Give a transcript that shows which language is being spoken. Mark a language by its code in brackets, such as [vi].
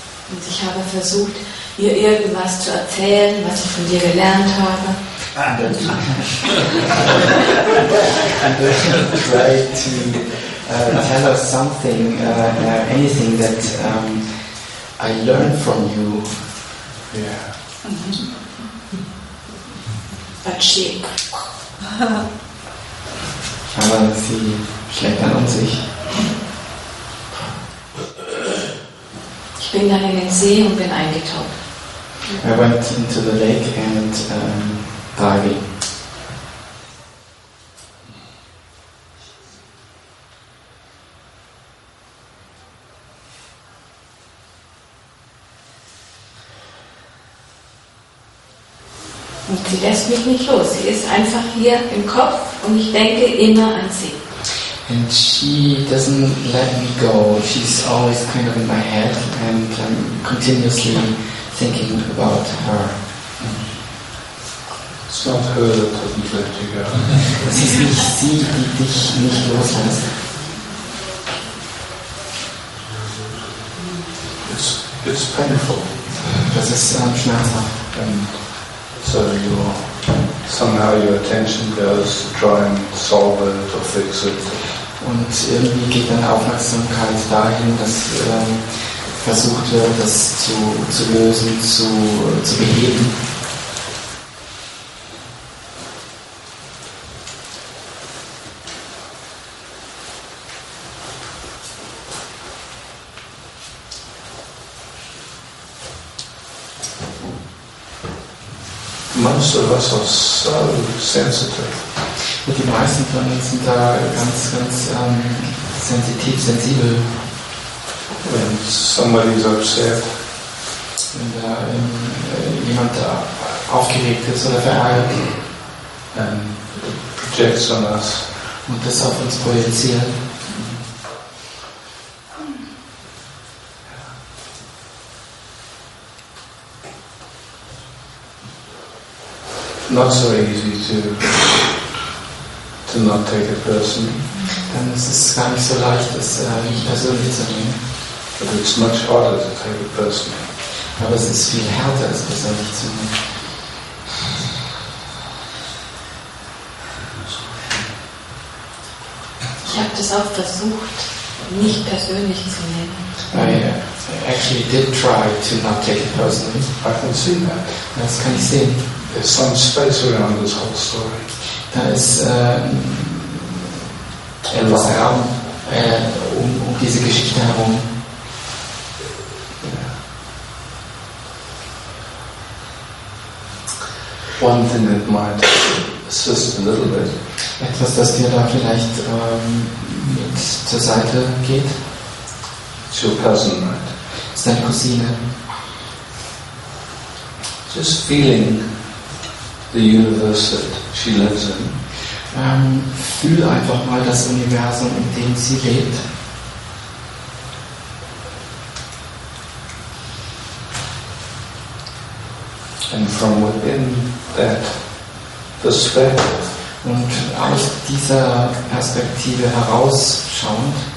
[de] Und ich habe versucht, ihr irgendwas zu erzählen, was ich von dir gelernt habe. [en] And then try to tell us something, anything that I learned from you. Yeah. Mm-hmm. [de] Aber sie schlägt dann um sich. Ich bin dann in den See und bin eingetaucht. [en] I went into the lake and diving. [de] Und sie lässt mich nicht los. Sie ist einfach hier im Kopf und ich denke immer an sie. [en] And she doesn't let me go. She's always kind of in my head and I'm continuously thinking about her. It's not her that doesn't let you go. [de] Es ist nicht sie, die dich nicht loslässt. [en] It's painful. [de] Das ist schmerzhaft. [en] So somehow your attention goes to try and solve it or fix it. [de] Und irgendwie geht dann Aufmerksamkeit dahin, dass versucht wird, das zu lösen, zu beheben. [en] Most of us are so sensitive. [de] Und die meisten von uns sind da ganz, ganz sensibel. [en] When somebody's upset. [de] Wenn da jemand da aufgeregt ist oder verärgert. [en] And it projects on us. [de] Und das auf uns projiziert. [en] Not so easy to not take it personally. [de] Dann ist es gar nicht so leicht, das nicht persönlich zu nehmen. [en] But it's much harder to take it personally. [de] Aber es ist viel härter, es persönlich zu nehmen. Ich habe das auch versucht, nicht persönlich zu nehmen. [en] I actually did try to not take it personally. I can see that. [de] Das kann ich sehen. [en] There's some space around this whole story. [de] Da ist etwas Raum um diese Geschichte herum. [en] Yeah. One thing that might assist a little bit. [de] Etwas, das dir da vielleicht mit zur Seite geht. [en] It's your cousin, right? [de] Ist deine Cousine. [en] Just feeling the universe that she lives in. [de] Fühl einfach mal das Universum, in dem sie lebt. [en] And from within that perspective. [de] Und aus dieser Perspektive herausschauend,